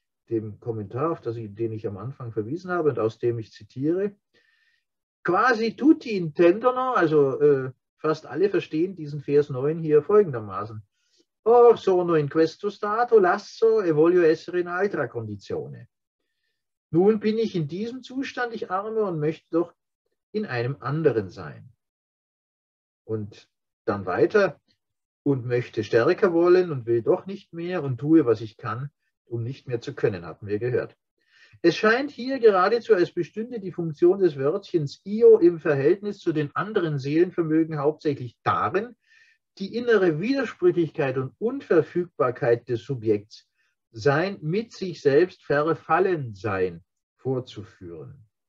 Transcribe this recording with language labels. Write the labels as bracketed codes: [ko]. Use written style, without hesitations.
[de] dem Kommentar, auf das ich, den ich am Anfang verwiesen habe und aus dem ich zitiere, [it] quasi tutti intendono, [de] also fast alle verstehen diesen Vers 9 hier folgendermaßen. [it] Or sono in questo stato, lasso e voglio essere in altra condizione. [de] Nun bin ich in diesem Zustand, ich arme, und möchte doch in einem anderen sein. Und dann weiter, und möchte stärker wollen und will doch nicht mehr und tue, was ich kann, um nicht mehr zu können, hatten wir gehört. Es scheint hier geradezu, als bestünde die Funktion des Wörtchens io im Verhältnis zu den anderen Seelenvermögen hauptsächlich darin, die innere Widersprüchlichkeit und Unverfügbarkeit des Subjekts, sein mit sich selbst verfallen sein, vorzuführen.